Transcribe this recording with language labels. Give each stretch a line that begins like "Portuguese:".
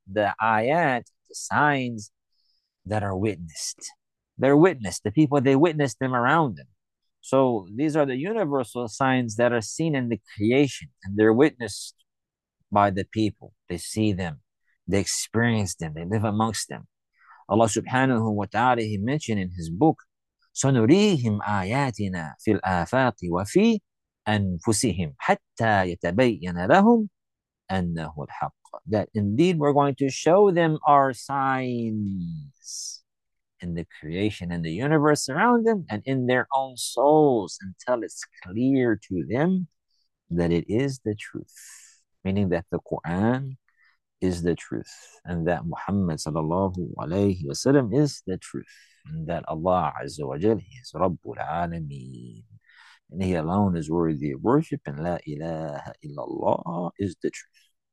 English: The ayat, the signs that are witnessed. They're witnessed. The people, they witness them around them. So these are the universal signs that are seen in the creation. And they're witnessed by the people. They see them. They experience them. They live amongst them. Allah subhanahu wa ta'ala, He mentioned in His book,
Arabic: سَنُرِيهِمْ آيَاتِنَا فِي الْآفَاقِ وَفِي أَنفُسِهِمْ حَتَّى يَتَبَيَّنَ لَهُمْ أَنَّهُ الْحَقِّ.
English: That indeed we're going to show them our signs in the creation and the universe around them and in their own souls until it's clear to them that it is the truth. Meaning that the Quran is the truth, and that Muhammad sallallahu alayhi wasallam is the truth, and that Allah azza wa jal, He is Rabbul Alameen, and He alone is worthy of worship, and La ilaha illallah is the truth.